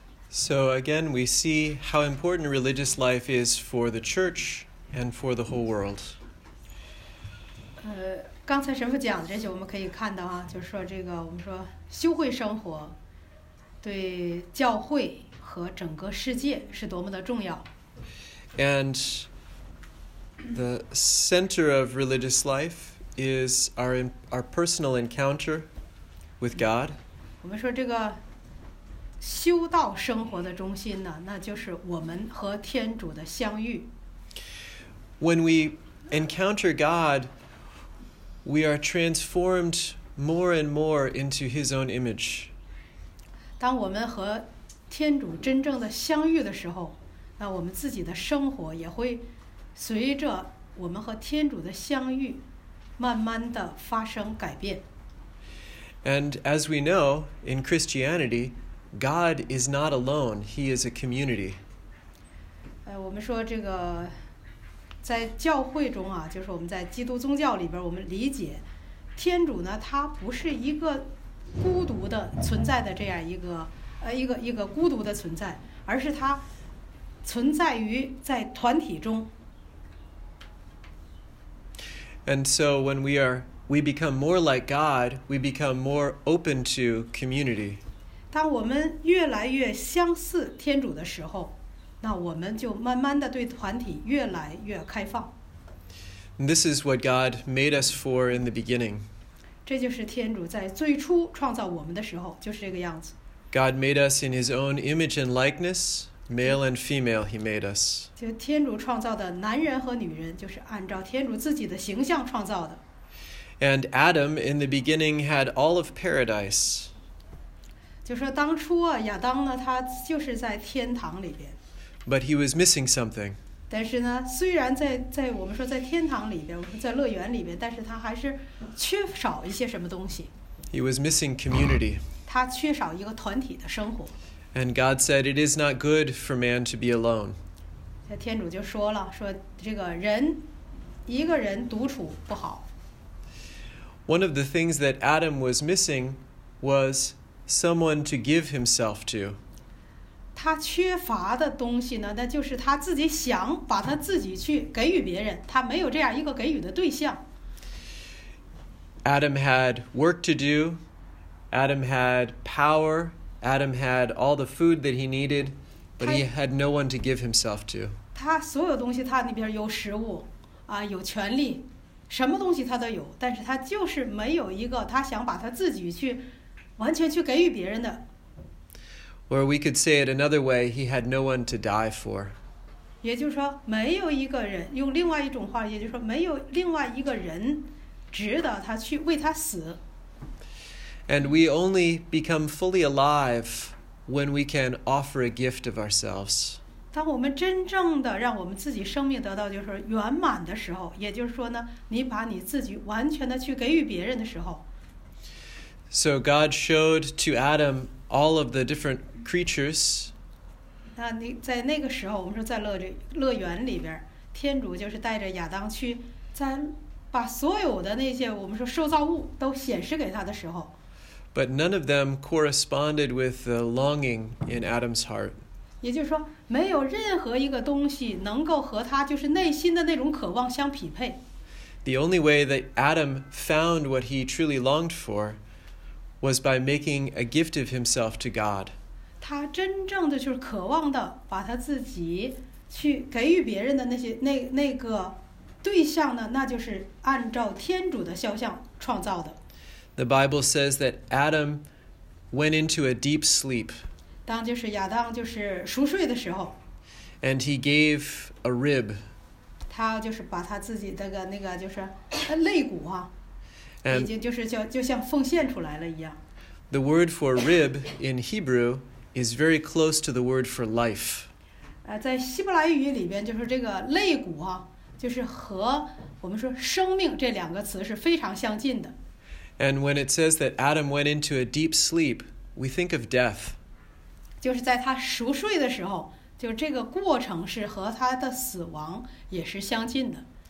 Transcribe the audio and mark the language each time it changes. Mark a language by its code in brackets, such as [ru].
[en] So again, we see how important religious life is for the church and for the whole world. [zh] 刚才神父讲的这些，我们可以看到啊，就是说这个，我们说修会生活对教会和整个世界是多么的重要。 [en] And the center of religious life is our personal encounter with God. [zh] 我们说这个修道生活的中心呢，那就是我们和天主的相遇。 [en] When we encounter God, we are transformed more and more into His own image. [zh] 当我们和天主真正的相遇的时候，那我们自己的生活也会随着我们和天主的相遇，慢慢的发生改变。 [en] And as we know, in Christianity, God is not alone, He is a community. [zh] 我们说这个在教会中啊，就是我们在基督宗教里边，我们理解天主呢，他不是一个孤独的存在的这样一个一个孤独的存在，而是他存在于在团体中。 [en] And so when we become more like God, we become more open to community. [zh] 当我们越来越相似天主的时候，那我们就慢慢的对团体越来越开放。 [en] And this is what God made us for in the beginning. [zh] 这就是天主在最初创造我们的时候，就是这个样子。 [en] God made us in His own image and likeness, male and female He made us. [zh] 就天主创造的男人和女人，就是按照天主自己的形象创造的。 [en] And Adam in the beginning had all of paradise. [zh] 就说当初啊，亚当呢，他就是在天堂里边。 [en] But he was missing something. [zh] 但是呢，虽然在我们说在天堂里边，我们说在乐园里边，但是他还是缺少一些什么东西。 [en] He was missing community. [zh] 他缺少一个团体的生活。 [en] And God said, "It is not good for man to be alone." [zh] 天主就说了，说这个人一个人独处不好。 [en] One of the things that Adam was missing was someone to give himself to. [zh] 他缺乏的东西呢，那就是他自己想把他自己去给予别人，他没有这样一个给予的对象。 [en] Adam had work to do. Adam had power. Adam had all the food that he needed, but he had no one to give himself to. [zh] 他所有东西，他那边有食物，啊，有权利，什么东西他都有，但是他就是没有一个他想把他自己去完全去给予别人的。 [en] Or we could say it another way, he had no one to die for. [zh] 也就是说，没有一个人，用另外一种话，也就是说，没有另外一个人值得他去为他死。 [en] And we only become fully alive when we can offer a gift of ourselves. [zh] 当我们真正的让我们自己生命得到就是圆满的时候，也就是说呢，你把你自己完全的去给予别人的时候。 [en] So God showed to Adam all of the different creatures. [zh] 那你在那个时候，我们说在乐园里边，天主就是带着亚当去，在把所有的那些我们说受造物都显示给他的时候。 [en] But none of them corresponded with the longing in Adam's heart. [zh] 也就是说，没有任何一个东西能够和他就是内心的那种渴望相匹配。 [en] The only way that Adam found what he truly longed for was by making a gift of himself to God. [zh] 他真正的就是渴望的把他自己去给予别人的那个对象呢，那就是按照天主的肖像创造的。 [en] The Bible says that Adam went into a deep sleep. [zh] 当就是亚当就是熟睡的时候。 [en] And he gave a rib. [zh] 他就是把他自己的那个就是肋骨啊。 [en] And [zh] 已经就是就像奉献出来了一样。 [en] The word for rib in Hebrew is very close to the word for life. [zh] 在希伯来语里边，就是这个肋骨啊，就是和我们说生命这两个词是非常相近的。 [en] And when it says that Adam went into a deep sleep, we think of death. [zh] 就是在他熟睡的时候，就这个过程是和他的死亡也是相近的。